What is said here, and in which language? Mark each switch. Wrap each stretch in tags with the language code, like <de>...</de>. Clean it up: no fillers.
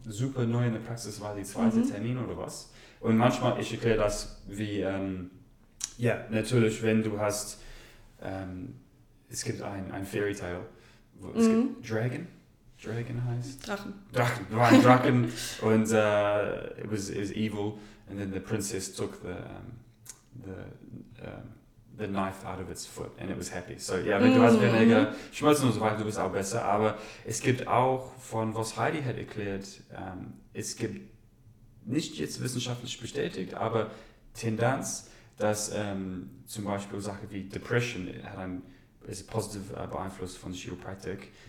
<de>Super neu in der Praxis war die zweite Termin oder was. Und manchmal, ich erkläre das wie, ja, natürlich, wenn du hast, es gibt ein Fairy Tale, wo es gibt Dragon. Dragon heißt? Drachen. Du war ein Drachen</de> <en>und it was evil and then the princess took the knife out of its foot and it was happy.</en> <de>So ja, yeah, wenn du hast weniger Schmerzen und so weiter, du bist auch besser. Aber es gibt auch, von was Heidi hat erklärt, es gibt nicht jetzt wissenschaftlich bestätigt, aber Tendenz, dass zum Beispiel Sachen wie Depression ist positiv beeinflusst von Chiropraktik.</de>